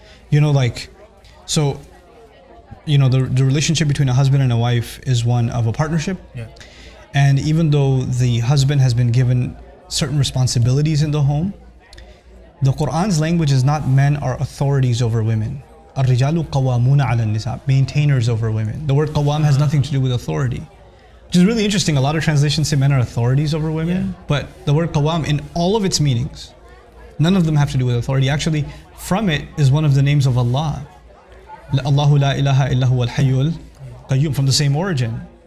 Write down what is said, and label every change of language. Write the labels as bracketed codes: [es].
[en] You know, like, so, you know, the relationship between a husband and a wife is one of a partnership. Yeah. And even though the husband has been given certain responsibilities in the home, the Quran's language is not men are authorities over women. [ar] الرِّجَالُ قَوَامُونَ عَلَى النِّسَاءِ, [en] maintainers over women. The word قَوَام has nothing to do with authority. Which is really interesting. A lot of translations say men are authorities over women. Yeah. But the word قَوَام in all of its meanings, none of them have to do with authority. Actually, from it is one of the names of Allah. [ar] Allahu la ilaha illahu al hayyul qayyum, [en] from the same origin.